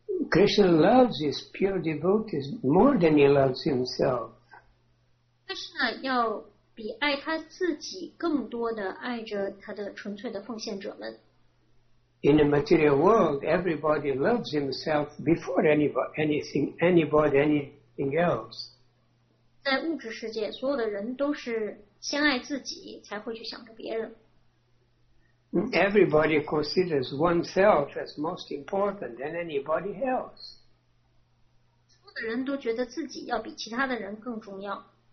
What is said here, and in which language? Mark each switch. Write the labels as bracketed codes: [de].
[en] Krishna loves his pure devotees more than he loves himself. [zh] Krishna 要比爱他自己更多的爱着他的纯粹的奉献者们。 [en] In the material world, everybody loves himself before anything else. [zh] 在物质世界，所有的人都是先爱自己，才会去想着别人。 [en] Everybody considers oneself as most important than anybody else. [zh] 所有的人都觉得自己要比其他的人更重要。